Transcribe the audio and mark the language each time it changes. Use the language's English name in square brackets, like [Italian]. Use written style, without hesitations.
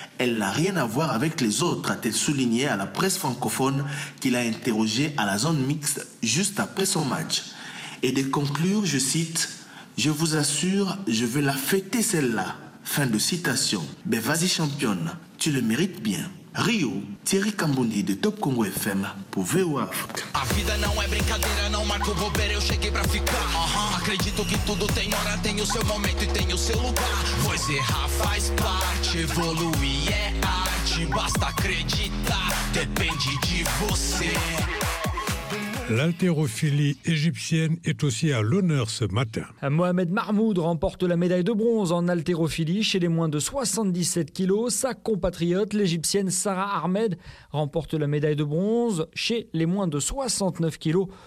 [French] Elle n'a rien à voir avec les autres, a-t-elle souligné à la presse francophone qu'il a interrogée à la zone mixte juste après son match. Et de conclure, je cite, « Je vous assure, je veux la fêter celle-là. » Fin de citation. Ben vas-y championne, tu le mérites bien. Rio, Thierry Kamboundi de Top Congo FM pour VOA Africa. [Portuguese] A vida não é brincadeira, não marco bobeira, eu cheguei pra ficar. Acredito que tudo tem hora, tem o seu momento e tem o seu lugar. Pois errar faz parte, evoluir é arte, basta acreditar, depende de você. [French] L'haltérophilie égyptienne est aussi à l'honneur ce matin. Mohamed Mahmoud remporte la médaille de bronze en haltérophilie chez les moins de 77 kilos. Sa compatriote, l'égyptienne Sarah Ahmed, remporte la médaille de bronze chez les moins de 69 kilos.